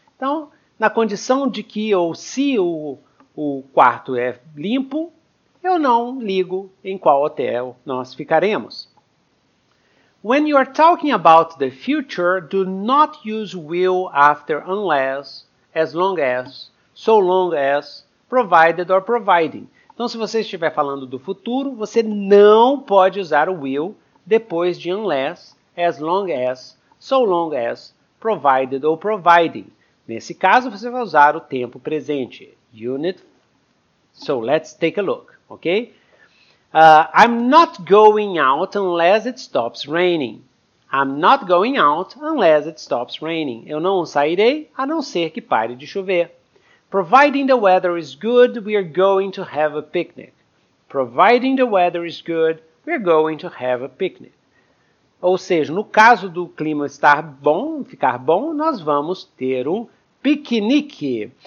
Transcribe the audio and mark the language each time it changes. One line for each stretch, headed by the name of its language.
Portuguese: Então, na condição de que ou se o quarto é limpo, eu não ligo em qual hotel nós ficaremos.
English: When you are talking about the future, do not use will after unless, as long as, so long as, provided or providing.
Portuguese: Então, se você estiver falando do futuro, você não pode usar o will depois de
English: unless, as long as, so long as, provided or providing.
Portuguese: Nesse caso, você vai usar o tempo presente.
English: Unit. So, let's take a look, ok? I'm not going out unless it stops raining. I'm not going out unless it stops raining.
Portuguese: Eu não sairei a não ser que pare de chover.
English: Providing the weather is good, we are going to have a picnic. Providing the weather is good, we are going to have a picnic.
Portuguese: Ou seja, no caso do clima estar bom, ficar bom, nós vamos ter um piquenique.